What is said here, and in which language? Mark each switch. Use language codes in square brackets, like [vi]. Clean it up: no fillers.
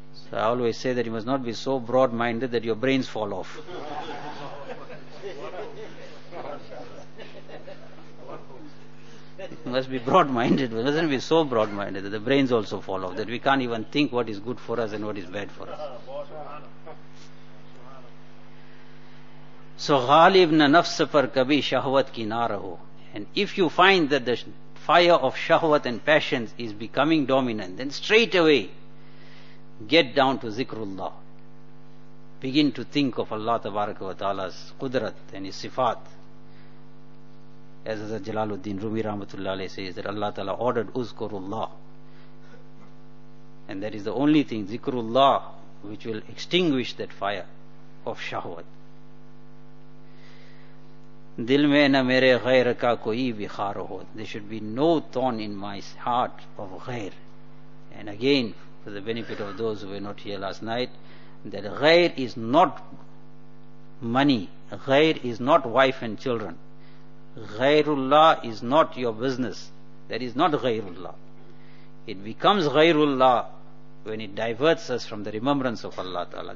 [en] So I always say that you must not be so broad-minded that your brains fall off. You must be broad-minded. You mustn't be so broad-minded that the brains also fall off, that we can't even think what is good for us and what is bad for us. So [ur] غالب نہ نفس پر کبھی شہوت کی نہ رہو. [en] And if you find that the fire of shahwat and passions is becoming dominant, then straight away get down to zikrullah. Begin to think of Allah tabaraka wa ta'ala's qudrat and his sifat. As Hazrat Jalaluddin Rumi rahmatullah alayhi says, that Allah ta'ala ordered uzkurullah, and that is the only thing, zikrullah, which will extinguish that fire of shahwat. [ur] دل میں نہ میرے غیر کا کوئی بخار ہو. [en] There should be no thorn in my heart of غیر. And again, for the benefit of those who were not here last night, that غیر is not money, غیر is not wife and children, غیر Allah is not your business. That is not غیر Allah. It becomes غیر Allah when it diverts us from the remembrance of Allah Ta'ala.